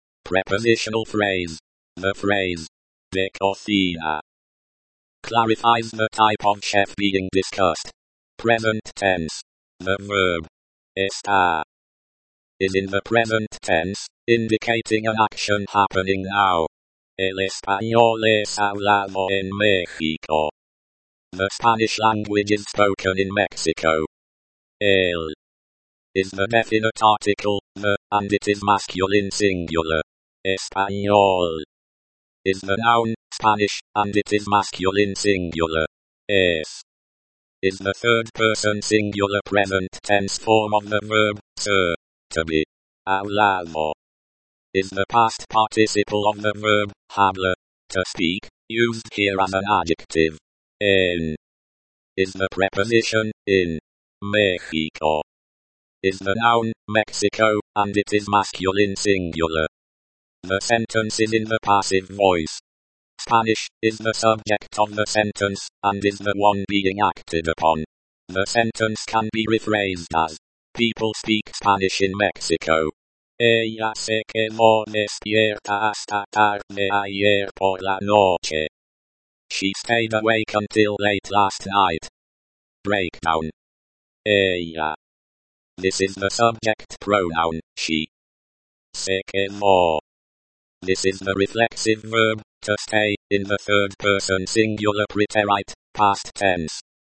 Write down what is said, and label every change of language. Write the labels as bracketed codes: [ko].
[en] Prepositional phrase. The phrase [es] de cocina [en] clarifies the type of chef being discussed. Present tense. The verb estar is in the present tense, indicating an action happening now. [es] El español es hablado en México. [en] The Spanish language is spoken in Mexico. El is the definite article, the, and it is masculine singular. Español is the noun, Spanish, and it is masculine singular. Es is the third person singular present tense form of the verb ser, to be. Hablado is the past participle of the verb hablar, to speak, used here as an adjective. En is the preposition in. México is the noun, Mexico, and it is masculine singular. The sentence is in the passive voice. Spanish is the subject of the sentence and is the one being acted upon. The sentence can be rephrased as, people speak Spanish in Mexico. [es] Ella se quedó despierta hasta tarde ayer por la noche. [en] She stayed awake until late last night. Breakdown. Ella. This is the subject pronoun, she. [es] Se quedó. [en] This is the reflexive verb, to stay, in the third person singular preterite, past tense.